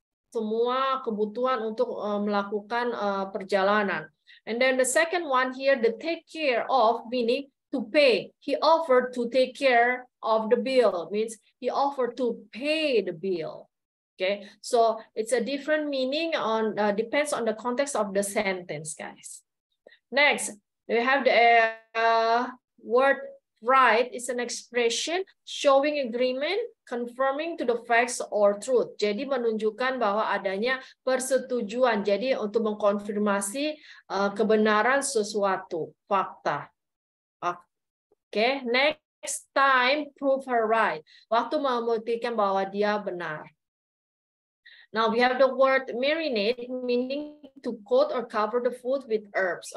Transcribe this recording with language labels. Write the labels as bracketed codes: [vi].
[id] semua kebutuhan untuk melakukan perjalanan. [en] And then the second one here, the take care of, meaning to pay. He offered to take care of the bill, means he offered to pay the bill. Okay, so it's a different meaning on depends on the context of the sentence, guys. Next, we have the word right. It's an expression showing agreement, confirming to the facts or truth. [id] Jadi menunjukkan bahwa adanya persetujuan. Jadi untuk mengkonfirmasi kebenaran sesuatu, fakta. [en] Okay, next time prove her right. [id] Waktu membuktikan bahwa dia benar. [en] Now we have the word marinate, meaning to coat or cover the food with herbs.